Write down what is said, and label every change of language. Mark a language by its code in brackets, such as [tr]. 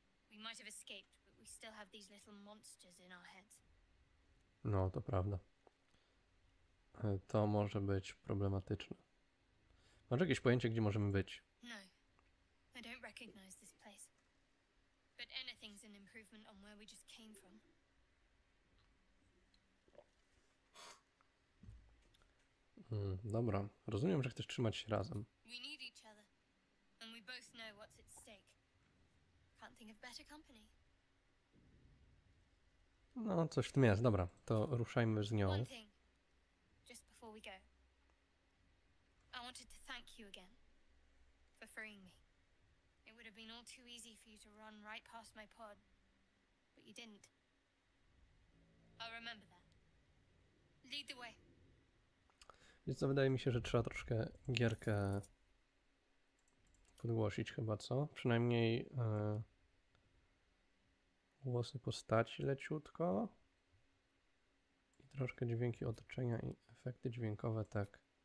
[en] We might have escaped, but we still have these little monsters in our heads. [pl] No, to prawda. To może być problematyczne. Masz jakieś pojęcie, gdzie możemy być? No. [en] I don't recognize this place. But anything's an improvement on where we just came from. [pl] Dobra. Rozumiem, że chcesz trzymać się razem. [en] We need each other. And we both know what's at stake. Can't think of better company. [pl] No, coś w tym jest. Dobra, to ruszajmy z nią. [en] One thing, just before we go. I wanted to thank you again for freeing me. It would have been all too easy for you to run right past my pod, but you didn't. I'll remember that. Lead the way. [pl] Więc to wydaje mi się, że trzeba troszkę gierkę podgłosić chyba, co? Przynajmniej głosy postaci leciutko i troszkę dźwięki otoczenia i efekty dźwiękowe, tak.